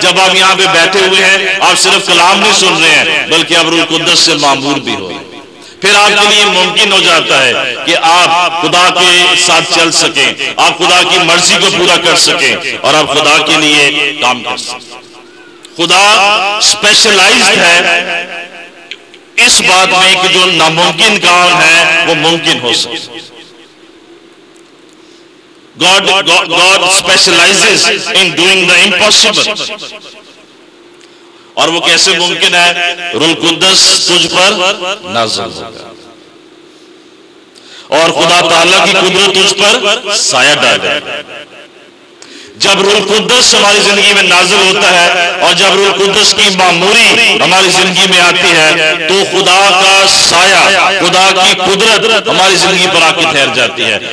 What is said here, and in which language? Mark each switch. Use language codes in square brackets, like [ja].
[ur] جب آپ یہاں پہ بیٹھے ہوئے ہیں آپ صرف کلام نہیں سن رہے ہیں بلکہ آپ روح القدس سے معمور بھی ہو, پھر آپ کے لیے ممکن ہو جاتا ہے کہ آپ خدا کے ساتھ چل سکیں, آپ خدا کی مرضی کو پورا کر سکیں, اور آپ خدا کے لیے کام کر سکیں. خدا اسپیشلائزڈ ہے اس بات میں کہ جو ناممکن کام ہے وہ ممکن ہو سکے. [en] God specializes in doing the impossible. [ur] اور وہ کیسے ممکن ہے؟ روح القدس تجھ پر نازل ہوگا اور خدا تعالی کی قدرت تجھ پر سایہ ڈال دے گا. جب روح القدس ہماری زندگی میں نازل ہوتا ہے اور جب روح القدس کی معموری ہماری زندگی میں آتی ہے تو خدا کا سایہ, خدا کی قدرت ہماری زندگی پر آ کے ٹھہر جاتی ہے.